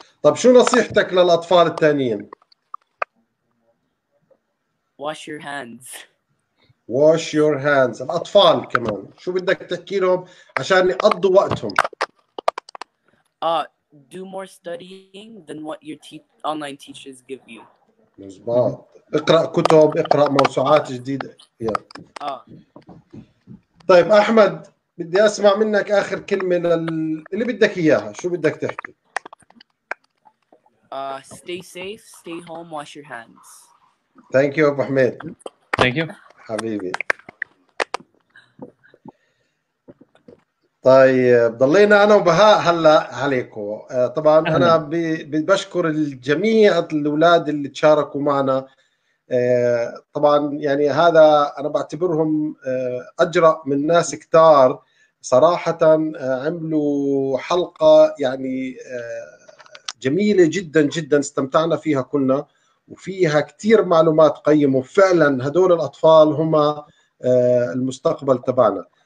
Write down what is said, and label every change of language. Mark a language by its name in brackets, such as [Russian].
[Arabic] طب شو نصيحتك للأطفال التانيين؟ [English] wash your hands. wash your hands. [Arabic] الأطفال كمان شو بدك تحكي لهم عشان يقضوا وقتهم؟ [English] Do more studying than what your online teachers give you. [Arabic] مزبوط. اقرأ كتب، اقرأ موسوعات جديدة. طيب أحمد، بدي أسمع منك آخر كلمة اللي بدك إياها، شو بدك تحكي؟ [English] Stay safe, stay home, wash your hands. Thank you أبو حميد. Thank you. [Arabic] حبيبي. طيب ضلينا انا وبهاء هلا عليكم. طبعا انا بشكر الجميع الاولاد اللي تشاركوا معنا، طبعا يعني هذا انا بعتبرهم اجرا من ناس كتار صراحه، عملوا حلقه يعني جميله جدا جدا استمتعنا فيها كلنا، وفيها كتير معلومات قيمه، فعلا هدول الاطفال هم المستقبل تبعنا.